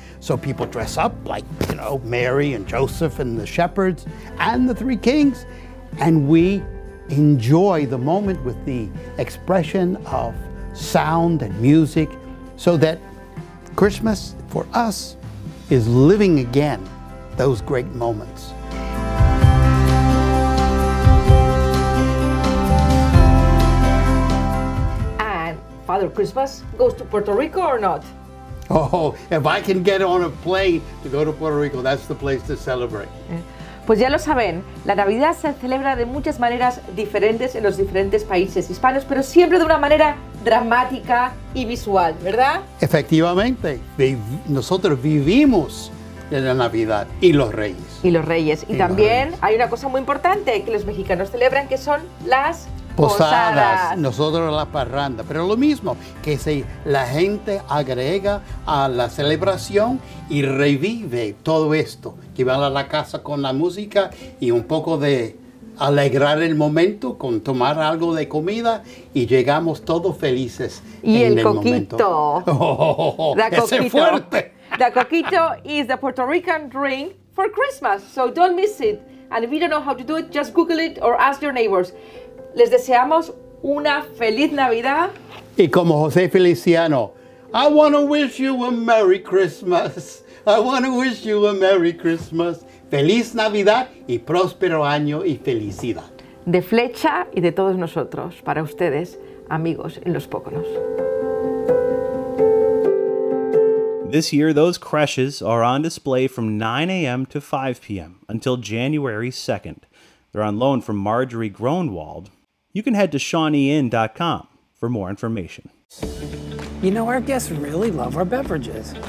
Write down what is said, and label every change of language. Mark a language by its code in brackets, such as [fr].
[en] So people dress up like, you know, Mary and Joseph and the shepherds and the three kings, and we enjoy the moment with the expression of sound and music, so that Christmas for us is living again those great moments. And Father Christmas goes to Puerto Rico or not? Oh, if I can get on a plane to go to Puerto Rico, that's the place to celebrate. [es] Pues ya lo saben, la Navidad se celebra de muchas maneras diferentes en los diferentes países hispanos, pero siempre de una manera dramática y visual, ¿verdad? Efectivamente. Nosotros vivimos en la Navidad y los Reyes. Y los Reyes. Y también reyes. Hay una cosa muy importante que los mexicanos celebran, que son las posadas. Nosotros la parranda. Pero lo mismo, que si la gente agrega a la celebración y revive todo esto, que van a la casa con la música y un poco de alegrar el momento con tomar algo de comida y llegamos todos felices. Y en el coquito. ¡Ese fuerte! [en] The coquito is the Puerto Rican drink for Christmas, so don't miss it. And if you don't know how to do it, just Google it or ask your neighbors. [es] Les deseamos una feliz Navidad. Y como José Feliciano, [en] I want to wish you a Merry Christmas. I want to wish you a Merry Christmas. [es] Feliz Navidad y próspero año y felicidad. De Flecha y de todos nosotros, para ustedes, amigos en los Poconos. [en] This year, those creches are on display from 9 a.m. to 5 p.m. until January 2nd. They're on loan from Marjorie Groenwald. You can head to ShawneeInn.com for more information. You know, our guests really love our beverages.